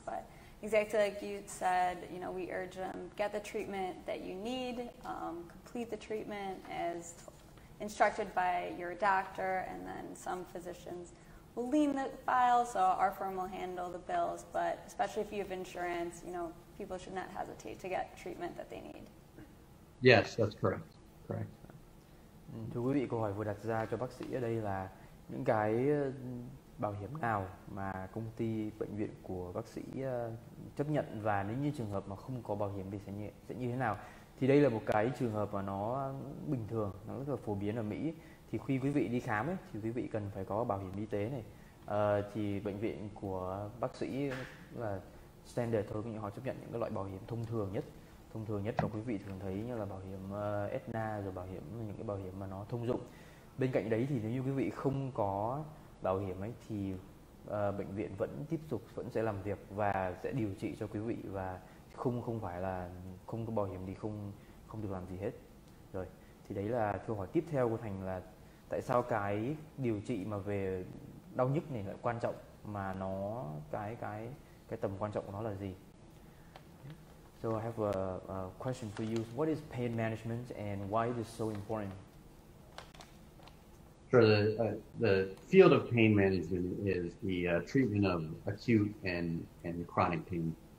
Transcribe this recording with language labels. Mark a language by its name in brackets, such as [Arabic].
[English] But exactly like you said, you know, we urge them, get the treatment that you need, complete the treatment as instructed by your doctor, and then some physicians will lien the file, so our firm will handle the bills. But especially if you have insurance, you know, people should not hesitate to get treatment that they need. Yes, that's correct. [Vietnamese] Thưa quý vị, câu hỏi vừa đặt ra cho bác sĩ ở đây là những cái bảo hiểm nào mà công ty bệnh viện của bác sĩ chấp nhận, và nếu như trường hợp mà không có bảo hiểm thì sẽ như thế nào. Thì đây là một cái trường hợp mà nó bình thường, nó rất là phổ biến ở Mỹ. Thì khi quý vị đi khám ấy, thì quý vị cần phải có bảo hiểm y tế này. Thì bệnh viện của bác sĩ là standard thôi, nhưng họ chấp nhận những cái loại bảo hiểm thông thường nhất. Thông thường nhất mà quý vị thường thấy như là bảo hiểm Aetna, rồi bảo hiểm những cái bảo hiểm mà nó thông dụng. Bên cạnh đấy thì nếu như quý vị không có bảo hiểm ấy thì bệnh viện vẫn tiếp tục, vẫn sẽ làm việc và sẽ điều trị cho quý vị, và không phải là không có bảo hiểm thì không được làm gì hết. Rồi, thì đấy là câu hỏi tiếp theo của Thành là tại sao cái điều trị mà về đau nhức này lại quan trọng, mà nó cái tầm quan trọng của nó là gì? [English] So I have a question for you. What is pain management and why is it so important? Sure, the field of pain management is the treatment of acute and chronic pain.